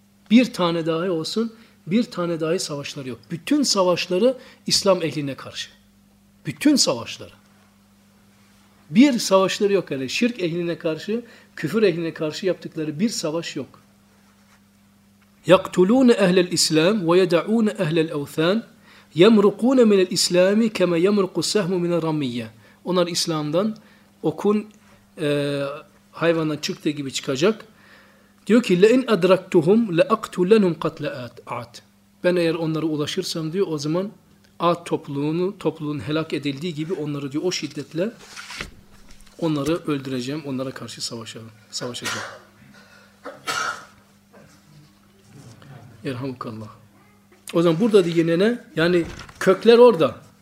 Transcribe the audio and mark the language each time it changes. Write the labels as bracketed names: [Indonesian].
[Turkish] Bir tane dahi olsun, bir tane dahi savaşları yok. Bütün savaşları İslam ehline karşı. Bütün savaşları. Bir savaşları yok yani. Şirk ehline karşı, küfür ehline karşı yaptıkları bir savaş yok. [Arabic] يقتلون أهل الإسلام ويدعون أهل الأوثان يمرقون من الإسلام كما يمرق السهم من الرمية. [Turkish] Onlar İslam'dan okun hayvandan çıktığı gibi çıkacak. Diyor ki [Arabic] لَاِنْ اَدْرَكْتُهُمْ لَاَقْتُلَنْهُمْ قَتْلَ اَعَدْ. [Turkish] Ben eğer onlara ulaşırsam diyor, o zaman Ad topluluğun helak edildiği gibi onları diyor o şiddetle onları öldüreceğim, onlara karşı savaşacağım. Erhamukallah. O zaman burada da yine ne? Yani kökler orada.